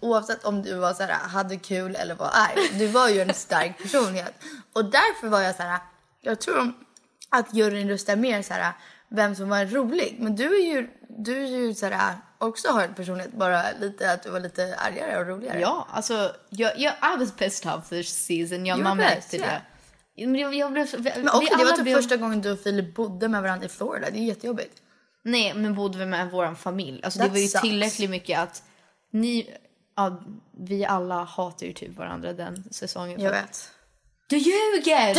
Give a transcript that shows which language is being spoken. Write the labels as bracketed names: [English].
[Swedish] Oavsett om du var så här, hade kul eller vad är. Du var ju en stark personlighet. Och därför var jag så här, jag tror att juryn röstar mer så här, vem som var rolig. Men du är ju så här, också har en personlighet. Bara lite att du var lite argare och roligare. Ja, alltså, [English] I was pissed off this season. [Swedish] Jag var bäst, ja. Men det var första gången du och Filip bodde med varandra i Florida. Det är jättejobbigt. Nej, men bodde vi med vår familj. Alltså, det var ju tillräckligt mycket att ni, ja, vi alla hatar ju typ varandra den säsongen. Jag vet. Du ljuger!